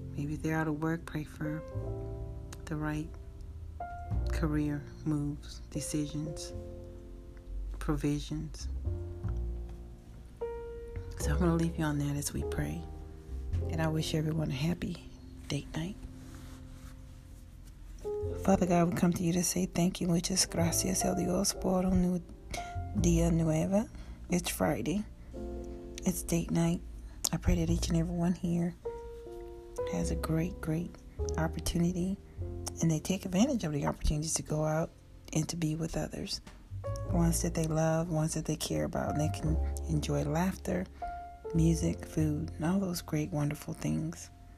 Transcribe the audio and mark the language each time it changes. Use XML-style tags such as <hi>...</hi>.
<en>Maybe they're out of work, pray for the right career moves, decisions, provisions. So I'm going to leave you on that as we pray. And I wish everyone a happy date night. Father God, we come to you to say thank you.</en> <es>Muchas gracias a Dios por un día nuevo.</es> <en>It's Friday. It's date night. I pray that each and every one here has a great, great opportunity and they take advantage of the opportunities to go out and to be with others. Ones that they love, ones that they care about, and they can enjoy laughter, music, food, and all those great, wonderful things.</en>